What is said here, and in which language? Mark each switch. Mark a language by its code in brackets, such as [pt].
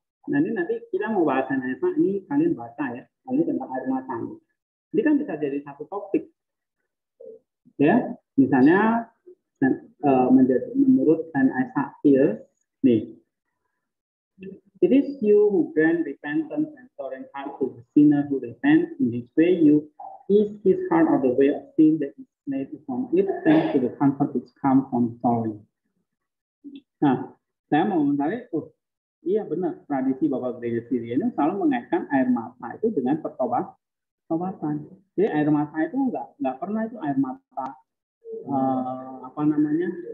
[id] Nah ini nanti kita mau bahasan apa? Ini kalian baca ya. Ini tentang air mata. Ini kan bisa jadi satu topik. Ya, misalnya menurut dan Aisyah. [en] Nih, it is you who grant repentance and sorrowing heart to the sinner who repents in this way. You ease his heart of the way of sin that is made from it, thanks to the comfort which comes from sorrowing. [id] Nah, saya mau mencari, iya benar, tradisi Bapak Gereja Siria ini selalu mengaitkan air mata itu dengan pertobatan. Kawasan. Jadi air mata itu enggak pernah itu air mata apa namanya?